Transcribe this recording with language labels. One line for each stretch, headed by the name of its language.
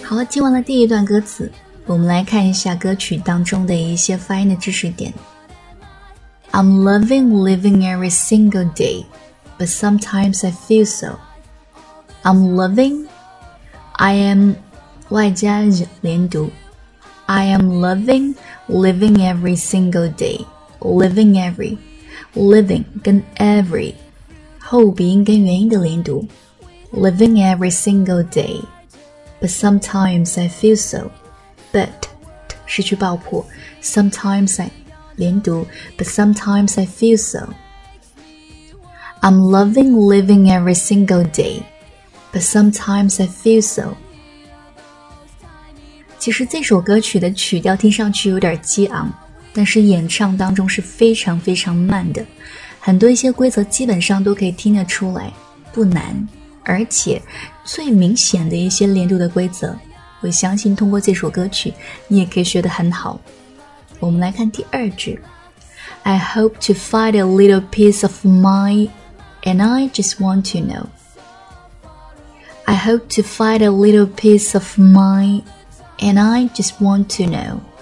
Chinese: 听完了第一段歌词，我们来看一下歌曲当中的一些发音的知识点。
English: I'm loving living every single day, but sometimes I feel so. I'm loving, I am,
Chinese: 外加连读。
English: I am loving living every single day, living every, living 跟 every,
Chinese: 后鼻音跟元音的连读。
English: Living every single dayBut sometimes I feel so. But
Chinese: 失去爆破
English: Sometimes I 连读 But sometimes I feel so. I'm loving living every single day. But sometimes I feel so.
Chinese: 其实这首歌曲的曲调听上去有点激昂，但是演唱当中是非常非常慢的，很多一些规则基本上都可以听得出来，不难。而且最明显的一些连读的规则，我相信通过这首歌曲你也可以学得很好。我们来看第二句，
English: I hope to find a little piece of mind and I just want to know. I hope to find a little piece of mind and I just want to know.